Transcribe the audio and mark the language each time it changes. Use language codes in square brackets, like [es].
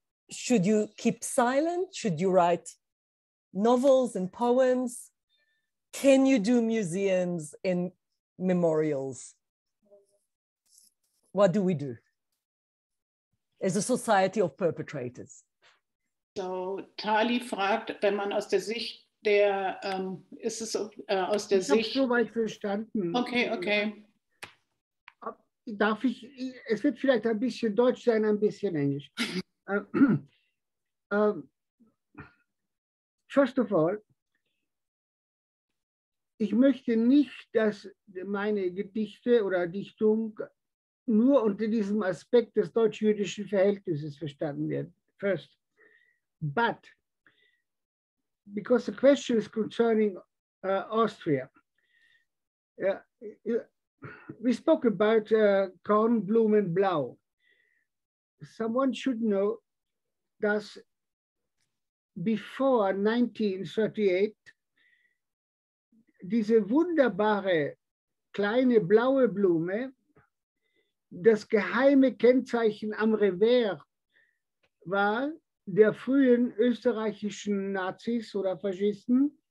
[en] Should you keep silent? Should you write novels and poems? Can you do museums and memorials? What do we do as a society of perpetrators? [de] So Tali fragt, wenn man aus der Sicht der, ist es aus der ich Sicht... Ich habe soweit verstanden. Okay. Darf ich, es wird vielleicht ein bisschen Deutsch sein, ein bisschen Englisch. [en] First of all, [de] ich möchte nicht, dass meine Gedichte oder Dichtung nur unter diesem Aspekt des deutsch-jüdischen Verhältnisses verstanden werden. [en] First, but because the question is concerning Austria, we spoke about Korn, Blum and Blau. Someone should know that before 1938, [de] diese wunderbare kleine blaue Blume, das geheime Kennzeichen am Revers, war der frühen österreichischen Nazis oder Faschisten.